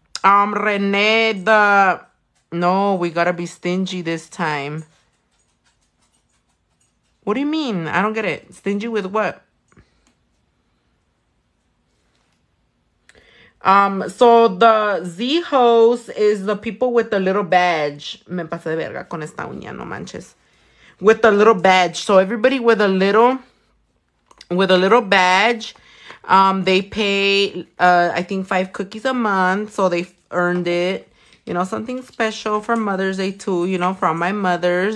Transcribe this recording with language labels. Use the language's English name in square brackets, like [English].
[English] René, the... No, we gotta be stingy this time. What do you mean? I don't get it. Stingy with what? So the Zeho's is the people with the little badge. [Spanish] Me pasé de verga con esta uña, no manches. [English] With the little badge. So everybody with a little badge, they pay, I think 5 cookies a month. So they earned it, you know, something special for Mother's Day too, you know, from my mothers.